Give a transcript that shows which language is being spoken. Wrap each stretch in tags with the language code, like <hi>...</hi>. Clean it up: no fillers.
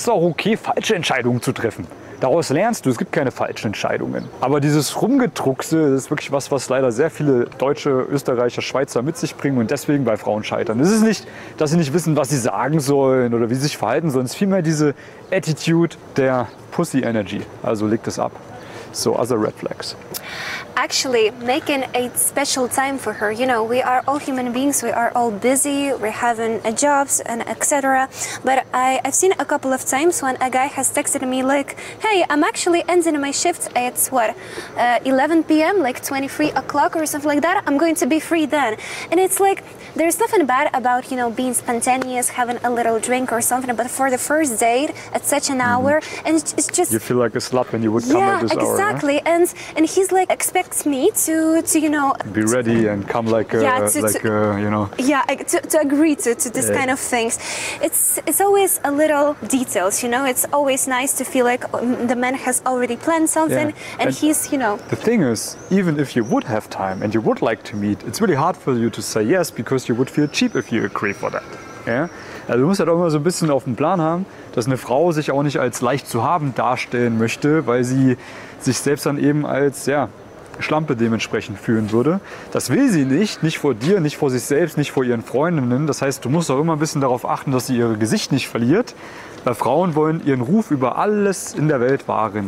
<de>Es ist auch okay, falsche Entscheidungen zu treffen. Daraus lernst du, es gibt keine falschen Entscheidungen. Aber dieses Rumgedruckse, das ist wirklich was leider sehr viele Deutsche, Österreicher, Schweizer mit sich bringen und deswegen bei Frauen scheitern. Es ist nicht, dass sie nicht wissen, was sie sagen sollen oder wie sie sich verhalten sollen. Es ist vielmehr diese Attitude der Pussy-Energy. Also leg das ab.</de> <en>So, other red flags. Actually, making a special time for her. You know, we are all human beings, we are all busy, we're having jobs and etc. But I've seen a couple of times when a guy has texted me like, hey, I'm actually ending my shift at what, 11 p.m., like 23 o'clock or something like that, I'm going to be free then. And it's like, there's nothing bad about, you know, being spontaneous, having a little drink or something, but for the first date at such an hour, and it's just... You feel like a slut when you would come at this exactly. hour. Exactly. Huh? And he's like expects me to you know, be ready and come like a, yeah, like you know. Yeah, to agree to this, yeah, kind of things. It's always a little details, you know. It's always nice to feel like the man has already planned something, yeah, and he's, you know. The thing is, even if you would have time and you would like to meet, it's really hard for you to say yes, because you would feel cheap if you agree for that. Yeah?</en> <de>Also, du musst halt auch immer so ein bisschen auf dem Plan haben, dass eine Frau sich auch nicht als leicht zu haben darstellen möchte, weil sie sich selbst dann eben als, ja, Schlampe dementsprechend fühlen würde. Das will sie nicht, nicht vor dir, nicht vor sich selbst, nicht vor ihren Freundinnen. Das heißt, du musst auch immer ein bisschen darauf achten, dass sie ihr Gesicht nicht verliert, weil Frauen wollen ihren Ruf über alles in der Welt wahren.</de>